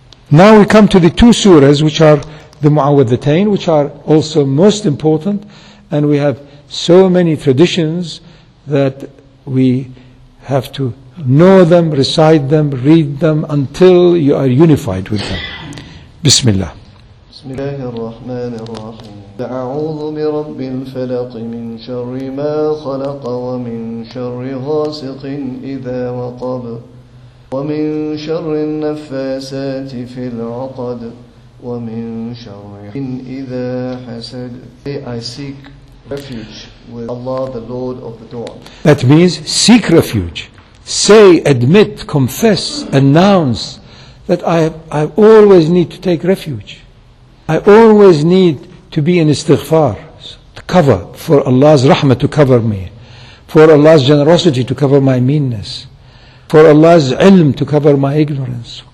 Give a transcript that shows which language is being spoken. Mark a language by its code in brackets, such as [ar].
[en] Now we come to the two surahs which are the Mu'awwidhatayn, which are also most important, and we have so many traditions that we have to know them, recite them, read them until you are unified with them. [ar] Bismillah. Bismillah ar-Rahman ar-Rahim. أعوذ برب الفلق من شر ما خلق ومن شر غاسق إذا وقب ومن شر النفاثات في العقد ومن شر إذا حسد. [en] I seek refuge with Allah, the Lord of the Dawn. That means seek refuge. Say, admit, confess, announce that I always need to take refuge. I always need to be in istighfar, to cover, for Allah's rahmah to cover me, for Allah's generosity to cover my meanness, for Allah's ilm to cover my ignorance.